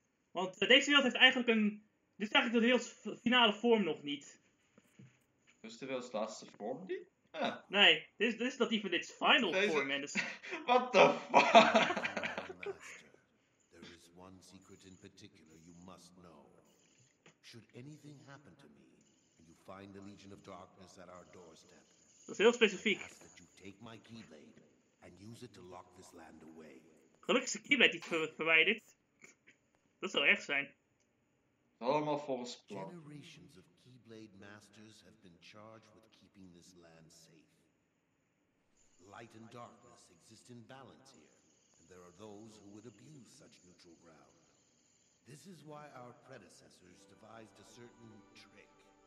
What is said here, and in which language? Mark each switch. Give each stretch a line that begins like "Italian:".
Dutch: Want deze wereld heeft eigenlijk een... Dit is eigenlijk de wereld's finale vorm nog niet. Dus de wereld's laatste vorm die? Ja. Nee, dit is
English: not even its final form,
Dutch: mensen.
English: What the fuck? Master, there is one secret in particular you must know. Should anything happen to me, and you find the Legion of Darkness at our doorstep...
Dutch: Dat is heel specifiek.
English: I ask that you take my keyblade and use it to lock this land away.
Dutch: Gelukkig is de keyblade niet verwijderd. Dat zou echt zijn. Allemaal volgens plan.
English: Generations of Keyblade Masters have been charged with keeping this land safe. Light and darkness exist in balance here, and there are those who would abuse such neutral ground. This is why our predecessors devised a certain trick.